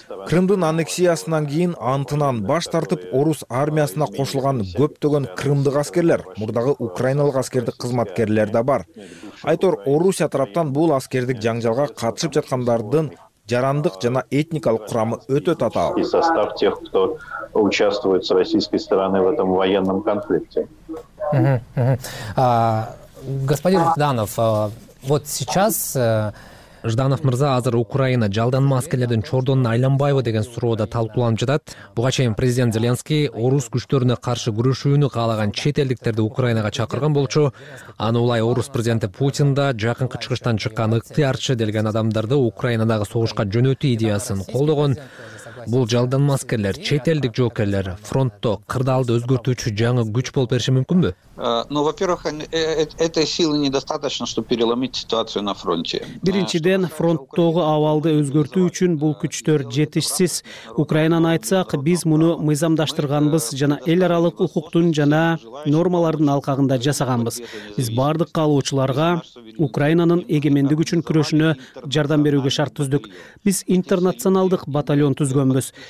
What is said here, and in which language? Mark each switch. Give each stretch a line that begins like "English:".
Kyrgyz: Крымдын аннексиясынан кийин антынан баш тартып, орус армиясына кошулган көптөгөн крымдык аскерлер, мурдагы украиналык аскердик кызматкерлер да бар. Айтор, Орусия тараптан бул аскердик жаңжалга катышып жаткандардын жарандык жана этникалык курамы өтө татаал.
Russian: И состав тех, кто участвует с российской стороны в этом военном конфликте. Господин Жданов, вот сейчас...
Kyrgyz: Жданов мырза, азыр Украина жалданма аскерлердин чордонуна айланбайбы деген суроо да талкууланып жатат. Буга чейин президент Зеленский орус күчтөрүнө каршы күрөшүүнү каалаган чет элдиктерди Украинага чакырган болчу. Аны улай орус президенти Путин да жакынкы чыгыштан чыккан ыктыярчы делген адамдарды Украинадагы согушка жөнөтүү идеясын колдогон. Бул жалданма аскерлер, чет элдик жоокерлер фронтто кырдаалды өзгөртүүчү жаңы күч болуп бериши мүмкүнбү?
Russian: Ну, во-первых, этой силы недостаточно, чтобы переломить ситуацию на фронте.
Kyrgyz: Биринчиден, фронттогу абалды өзгөртүү үчүн бул күчтөр жетишсиз. Украинаны айтсак, биз муну мыйзамдаштырганбыз жана эл аралык укуктун жана нормалардын алкагында жасаганбыз. Биз бардык каалоочуларга Украинанын эгемендиги үчүн күрөшүнө жардам берүүгө шарт түздүк. Биз интернационалдык батальон түздүк. жүргүзгөнбүз.